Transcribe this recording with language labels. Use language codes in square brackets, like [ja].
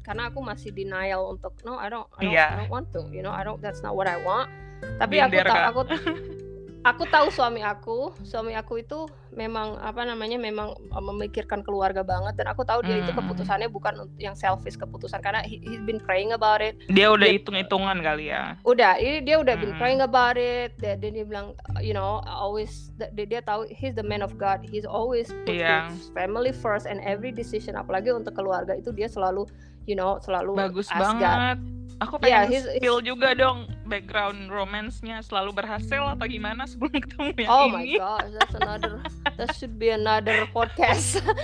[id] Karena aku masih denial untuk, [en] no, I don't want to, you know, that's not what I want. [id] Tapi aku tahu suami aku itu memang, memang memikirkan keluarga banget. Dan aku tahu dia itu keputusannya bukan yang selfish keputusan, karena [en] he's been praying about it. [id] Dia udah hitung-hitungan kali ya. Udah, dia udah [en] been praying about it. [id] Dan dia bilang, [en] you know, always, [id] dia tahu [en] he's the man of God. He's always put his family first and every decision, [id] apalagi untuk keluarga itu dia selalu, [en] you know, selalu bagus ask banget. God. [id] Aku pengen spill juga dong background romance-nya, selalu berhasil atau gimana sebelum ketemu yang ini. [en] Oh my gosh, that should be another podcast.